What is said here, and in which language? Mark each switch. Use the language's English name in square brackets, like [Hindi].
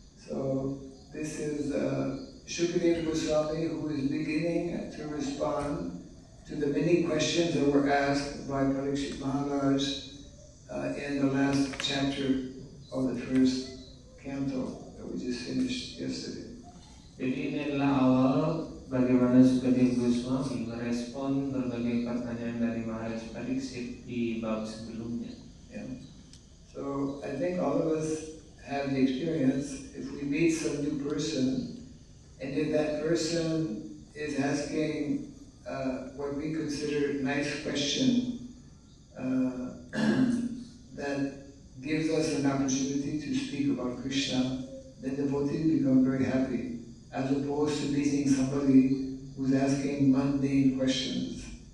[English] So this is Shukadeva Goswami who is beginning to respond to the many questions that were asked by Parikshit Maharaj in the last chapter of the first canto that we just finished yesterday. [Indonesian] Jadi ini adalah awal bagaimana Sukadeva Goswami merespon berbagai pertanyaan dari Maharaj prinsip di bab sebelumnya. [English] So I think all of us have the experience if we meet some new person and if that person is asking what we consider nice question that gives us an opportunity to speak about Krishna, then the devotees become very happy, as opposed to meeting somebody who's asking mundane questions.